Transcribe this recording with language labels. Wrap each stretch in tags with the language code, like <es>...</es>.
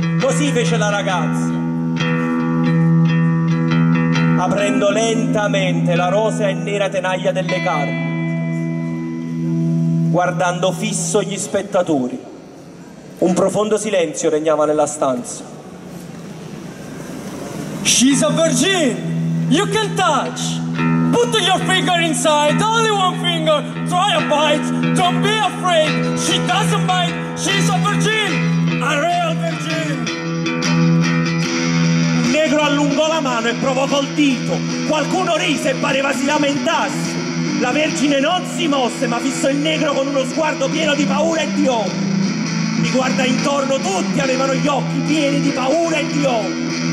<it>Così fece la ragazza, aprendo lentamente la rosea e nera tenaglia delle carni, guardando fisso gli spettatori. Un profondo silenzio regnava nella stanza.</it> <en>She's a virgin, you can touch. Put your finger inside, only one finger. Try a bite, don't be afraid. She doesn't bite, she's a virgin, a real virgin.</en> <it>Il negro allungò la mano e provò col dito. Qualcuno rise e pareva si lamentasse. La vergine non si mosse, ma fissò il negro con uno sguardo pieno di paura e di odio. Mi guarda intorno, tutti avevano gli occhi pieni di paura e di odio.</it>